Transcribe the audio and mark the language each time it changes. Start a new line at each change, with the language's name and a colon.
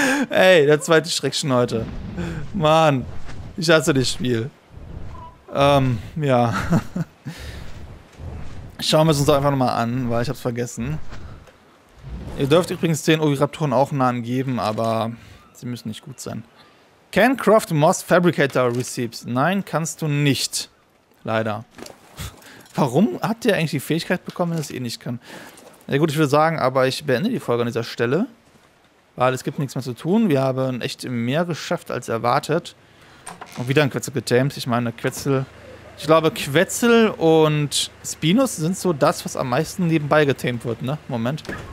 German: Ey, der zweite Schreck schon heute. Mann, ich hasse das Spiel. Ja. Schauen wir es uns einfach nochmal an, weil ich hab's vergessen. Ihr dürft übrigens den Oviraptoren auch Namen geben, aber sie müssen nicht gut sein.
English: Can Craft Moss Fabricator Receipts?
German: Nein, kannst du nicht. Leider. Warum hat der eigentlich die Fähigkeit bekommen, wenn er es eh nicht kann? Ja gut, ich würde sagen, aber ich beende die Folge an dieser Stelle. Weil es gibt nichts mehr zu tun. Wir haben echt mehr geschafft als erwartet. Und wieder ein Quetzel getamed. Ich meine, Quetzel. Ich glaube, Quetzel und Spinus sind so das, was am meisten nebenbei getamed wird, ne? Moment.